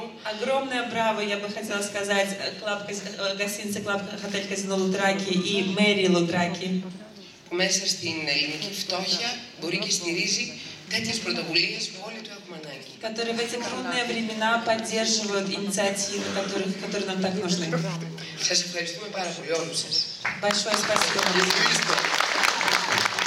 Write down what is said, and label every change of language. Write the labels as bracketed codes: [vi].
[ru] Огромное браво, я бы хотела сказать, гостинице «Клаб Хотель Казино Лутраки» и мэрии Лутраки. [el] Μέσα στην ελληνική φτώχεια μπορεί και στηρίζει τέτοιες πρωτοβουλίες που όλοι του έχουμε ανάγκη. [ru] Которые в эти трудные времена поддерживают инициативы, которые нам так нужны. [el] Σας ευχαριστούμε πάρα πολύ όλους σας. [ru] Большое спасибо.